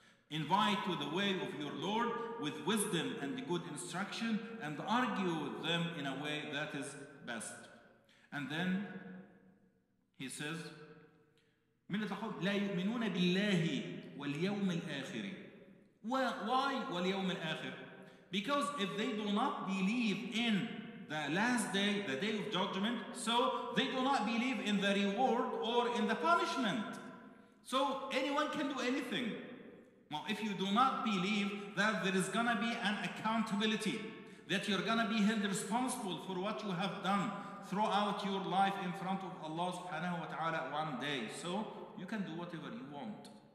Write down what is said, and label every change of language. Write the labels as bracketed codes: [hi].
[en] Invite to the way of your Lord with wisdom and good instruction, and argue with them in a way that is best. And then he says, [ar] لا يؤمنون بالله واليوم الآخر. [en] Why [ar] واليوم الآخر? [en] Because if they do not believe in the last day, the day of judgment, so they do not believe in the reward or in the punishment. So anyone can do anything. Now, if you do not believe that there is going to be an accountability, that you're going to be held responsible for what you have done throughout your life in front of Allah subhanahu wa ta'ala one day, so you can do whatever you want.